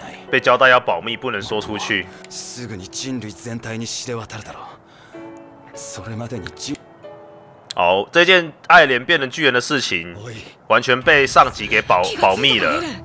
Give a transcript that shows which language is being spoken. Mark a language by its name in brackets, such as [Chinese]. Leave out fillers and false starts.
[Chinese] 被交代要保密，不能说出去。 [Japanese] すぐに人類全体に知れ渡るだろう。それまでに。 [Chinese] 好，这件爱莲变成巨人的事情，完全被上级给保密了。